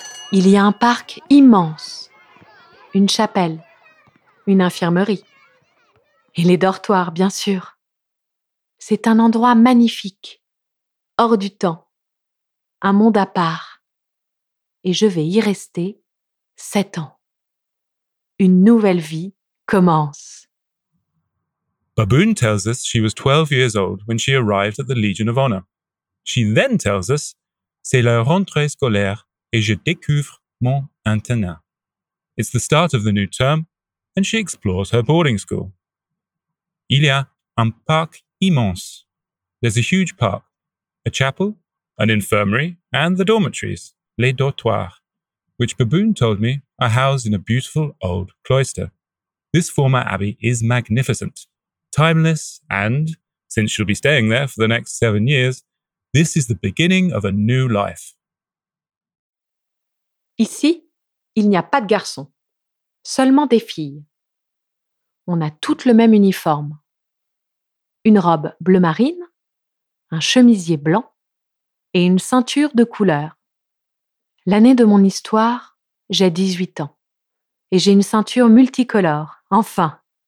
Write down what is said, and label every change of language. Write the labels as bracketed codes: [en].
[fr] Il y a un parc immense, une chapelle, une infirmerie et les dortoirs, bien sûr. C'est un endroit magnifique, hors du temps, un monde à part. Et je vais y rester 7 ans. Une nouvelle vie commence. [en] Baboon tells us she was 12 years old when she arrived at the Legion of Honor. She then tells us, [fr] c'est la rentrée scolaire et je découvre mon internat. [en] It's the start of the new term and she explores her boarding school. [fr] Il y a un parc immense. [en] There's a huge park, a chapel, an infirmary, and the dormitories, [fr] les dortoirs, [en] which Baboon told me are housed in a beautiful old cloister. This former abbey is magnificent, timeless, and, since she'll be staying there for the next 7 years, this is the beginning of a new life. [fr] Ici, il n'y a pas de garçons, seulement des filles. On a toutes le même uniforme. Une robe bleu marine, un chemisier blanc et une ceinture de couleur. L'année de mon histoire, j'ai 18 ans et j'ai une ceinture multicolore, enfin.